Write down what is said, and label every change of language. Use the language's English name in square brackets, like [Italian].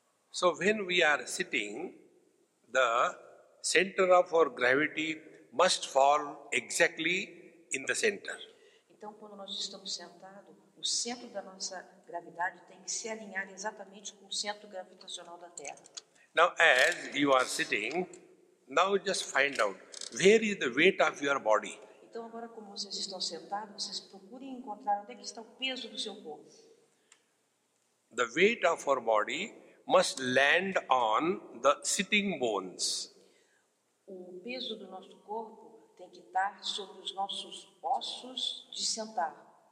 [English] So when we are sitting, the center of our gravity must fall exactly in the center. [Portuguese] Então, quando nós estamos sentados, o centro da nossa gravidade tem que se alinhar exatamente com o centro gravitacional da Terra. [English] Now, as you are sitting, now just find out where is the weight of your body. [Portuguese] Então, agora, como vocês estão sentados, vocês procurem encontrar onde é que está o peso do seu corpo. [English] The weight of our body must land on the sitting bones. [Portuguese] O peso do nosso corpo tem que estar sobre os nossos ossos de sentar.